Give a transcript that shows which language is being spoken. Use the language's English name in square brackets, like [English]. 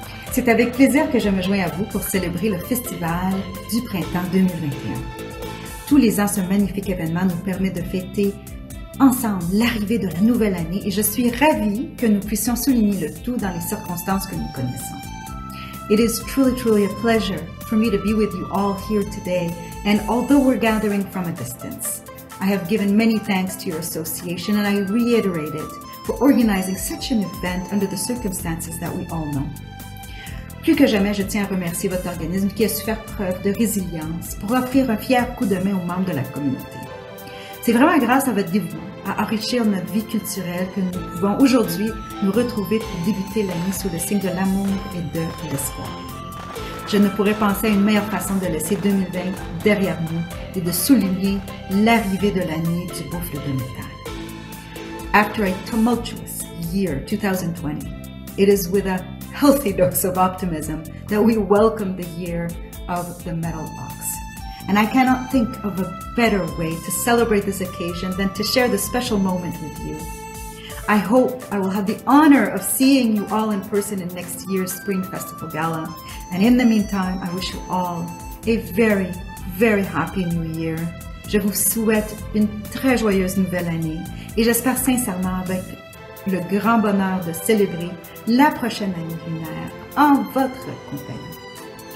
[French] C'est avec plaisir que je me joins à vous pour célébrer le Festival du printemps 2021. Tous les ans, ce magnifique événement nous permet de fêter ensemble l'arrivée de la nouvelle année et je suis ravie que nous puissions souligner le tout dans les circonstances que nous connaissons. [English] It is truly, truly a pleasure for me to be with you all here today and although we're gathering from a distance, I have given many thanks to your association and I reiterate it for organizing such an event under the circumstances that we all know. [French] Plus que jamais, je tiens à remercier votre organisme qui a su faire preuve de résilience pour offrir un fier coup de main aux membres de la communauté. C'est vraiment grâce à votre dévouement à enrichir notre vie culturelle que nous pouvons aujourd'hui nous retrouver pour débuter l'année sous le signe de l'amour et de l'espoir. Je ne pourrais penser à une meilleure façon de laisser 2020 derrière nous et de souligner l'arrivée de l'année du buffle de métal. [English] After a tumultuous year 2020, it is with a healthy dose of optimism that we welcome the year of the metal ox. And I cannot think of a better way to celebrate this occasion than to share this special moment with you. I hope I will have the honor of seeing you all in person in next year's Spring Festival Gala. And in the meantime, I wish you all a very, very happy new year. [French] Je vous souhaite une très joyeuse nouvelle année et j'espère sincèrement avec le grand bonheur de célébrer la prochaine année lunaire en votre compagnie.